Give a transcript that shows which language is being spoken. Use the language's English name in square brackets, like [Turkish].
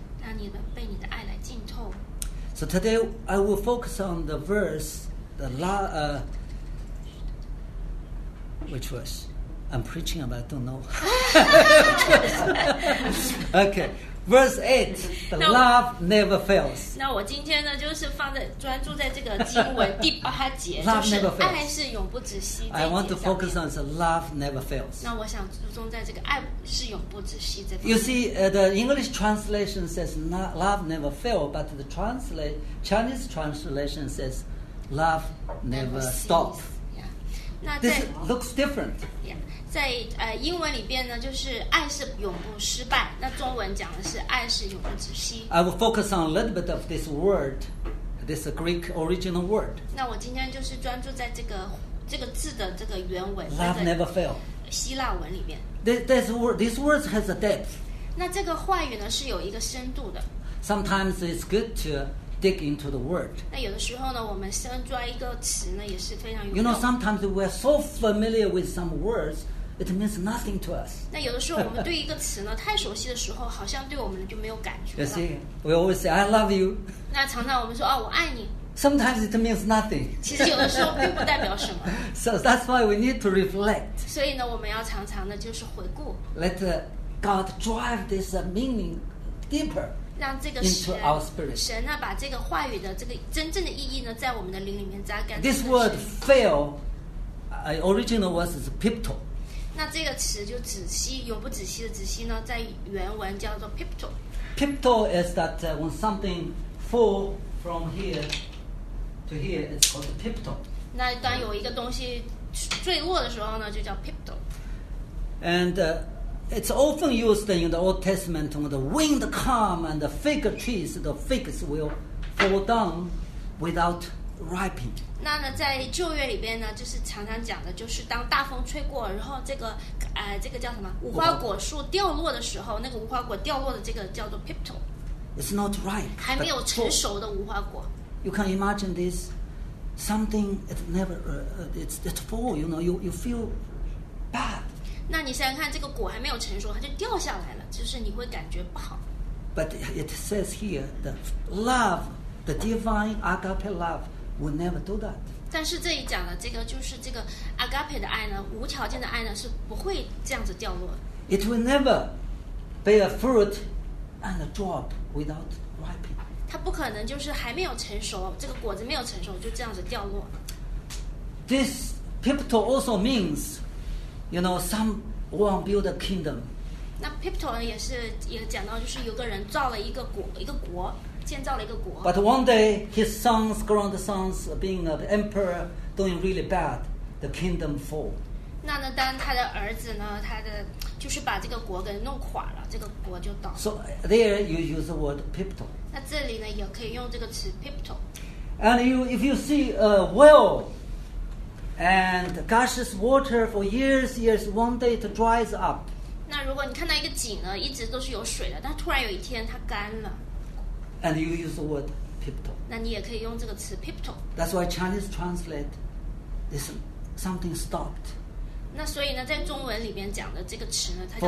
[Chinese] 让你的被你的爱来浸透。 [English] So today I will focus on the verse, which verse? I'm preaching about, I don't know. Okay. Verse 8, the love never fails. [Chinese] 那我今天呢，就是放在专注在这个经文第八节。 [English] Love never fails. [Chinese] 爱是永不止息。 [English] I want to focus on the love never fails. [Chinese] 那我想注重在这个爱是永不止息这方面。 [English] You see, the English translation says love never fails, but the Chinese translation says love never stops. Yeah. This looks different. Yeah. [Chinese] 在英文里边呢，就是爱是永不失败。那中文讲的是爱是永不止息。 [English] I will focus on a little bit of this word, this Greek original word. [Chinese] 那我今天就是专注在这个字的这个原文。 [English] Love never fail. [Chinese] 希腊文里边。 [English] This word has a depth. [Chinese] 那这个话语呢是有一个深度的。 [English] Sometimes it's good to dig into the word. [Chinese] 那有的时候呢，我们深抓一个词呢，也是非常有用。 [English] You know, sometimes we're so familiar with some words. it means nothing to us. [Chinese] 那有的时候我们对一个词呢太熟悉的时候，好像对我们就没有感觉了。 [English] You see, we always say, "I love you." [Chinese] 那常常我们说啊，我爱你。 [English] Sometimes it means nothing. [Chinese] 其实有的时候并不代表什么。 [English] So that's why we need to reflect. [Chinese] 所以呢，我们要常常的就是回顾。 [English] Let God drive this meaning deeper. [Chinese] 让这个神 [English] into our spirit. [Chinese] 神呢，把这个话语的这个真正的意义呢，在我们的灵里面扎根。 [English] This word "fail," original word is "pipto." [Chinese] 那这个词就仔细永不止息的仔细呢，在原文叫做 "pipto." [English] Pipto is that when something fall from here. To here is called pipto. [Chinese] 那当有一个东西坠落的时候呢，就叫 pipto. [English] And it's often used in the Old Testament when the wind come and the fig trees, the figs will fall down without ripening. [Chinese] 那呢，在旧约里边呢，就是常常讲的，就是当大风吹过，然后这个叫什么？无花果树掉落的时候，那个无花果掉落的这个叫做 pipto. [English] It's not ripe. [Chinese] 还没有成熟的无花果。 [English] You can imagine this, something it never it's fall. You know, you feel bad. [Chinese] 那你想想看，这个果还没有成熟，它就掉下来了，就是你会感觉不好。 [English] But it says here the love, the divine agape love will never do that. [Chinese] 但是这里讲的这个就是这个 agape 的爱呢，无条件的爱呢是不会这样子掉落的。 [English] It will never bear fruit and drop without ripening. [Chinese] 它不可能就是还没有成熟，这个果子没有成熟就这样子掉落。 [English] This pipto also means, you know, someone build a kingdom. [Chinese] 那 pipto 也是也讲到，就是有个人造了一个国，一个国建造了一个国。 [English] But one day his sons, grandsons, being an emperor, doing really bad, the kingdom fall. [Chinese] 那呢，当他的儿子呢，他的就是把这个国给弄垮了，这个国就倒了。 [English] So there you use the word pipto. [Chinese] 那这里呢，也可以用这个词 pipto. [English] And you, if you see a well and gushes water for years, years, one day it dries up. [Chinese] 那如果你看到一个井呢，一直都是有水的，但突然有一天它干了。 [English] And you use the word pipto. [Chinese] 那你也可以用这个词 pipto. [English] That's why Chinese translate this something stopped. [Chinese] 那所以呢，在中文里面讲的这个词呢，它叫